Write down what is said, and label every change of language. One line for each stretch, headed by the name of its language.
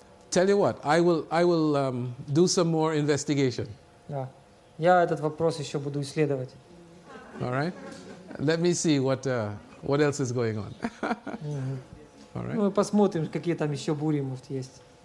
English: Tell you what, I will do some more investigation.
Russian: Я этот вопрос еще буду исследовать.
English: All right. Let me see what else is going on. All right.
Russian: Ну, посмотрим, какие там еще бури может есть.